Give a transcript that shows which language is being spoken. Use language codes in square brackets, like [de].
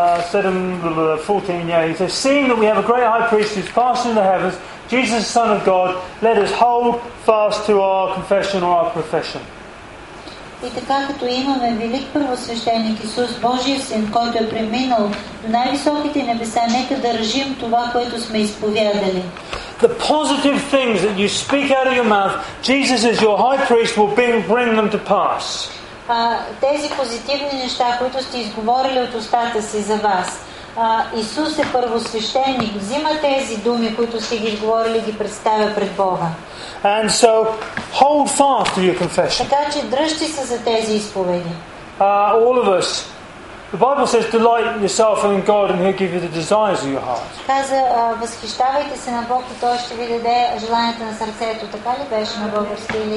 [en] He says, seeing that we have a great high priest who's passed in the heavens, Jesus, Son of God, let us hold fast to our confession or our profession. [bg] И така като имаме велик първосвещеник Исус, Божия Син, който е преминал до най-високите небеса, нека държим това, което сме изповядали. [en] The positive things that you speak out of your mouth, Jesus as your high priest will bring them to pass. [bg] Тези позитивни неща, които сте изговорили от устата си за вас. Исус е първосвещеник. Взима тези думи, които сте ги изговорили, ги представя пред Бога. [en] And so, hold fast to your confession. [bg] Така че дръжте се за тези изповеди. [en] All of us. The Bible says, delight yourself in God and He'll give you the desires of your heart. [bg] Каза, възхищавайте се на Бог и Той ще ви даде желанията на сърцето. Така ли беше на български?